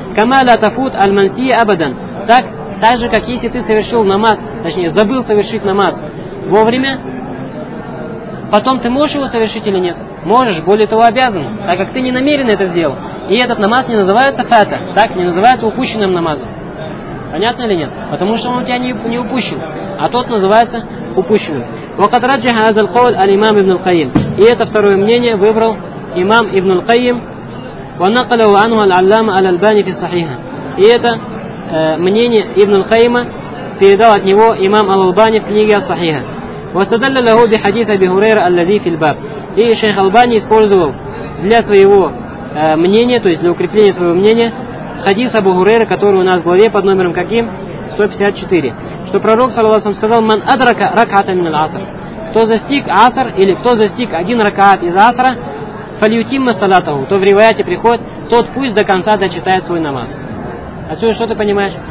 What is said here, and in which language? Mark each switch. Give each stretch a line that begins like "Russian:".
Arabic: Камаля тафут аль мансия абадан.
Russian: Так же, как если ты совершил намаз, точнее, забыл совершить намаз вовремя, потом ты можешь его совершить или нет? Можешь, более того, обязан, так как ты не намерен это сделать. И этот намаз не называется фата, так, не называется упущенным намазом. Понятно или нет? Потому что он у тебя не упущен. А тот называется упущенным.
Arabic: وقد رجح هذا القول الإمام ابن القيم.
Russian: И это второе мнение выбрал имам ибн аль-Кайим.
Arabic: ونقله عنه العلامة الألباني في صحيحه.
Russian: И это мнение ابن القيم передал от него имам аль-Албани в книге صحيحه.
Arabic: واستدل له بحديث أبي هريرة الذي في الباب.
Russian: И шейх аль-Албани использовал для своего мнения, то есть для укрепления своего мнения, хадис Абу Хурейры, который у нас в главе под номером каким? 154. Что пророк, саллаллаху алейхи ва саллям, сказал:
Arabic: «Ман адрака ракаата мин аль-аср».
Russian: Кто застиг аср, или кто застиг один ракаат из асра,
Arabic: фальютимма салатаху,
Russian: то в риваяте приходит, тот пусть до конца дочитает свой намаз. Отсюда что ты понимаешь?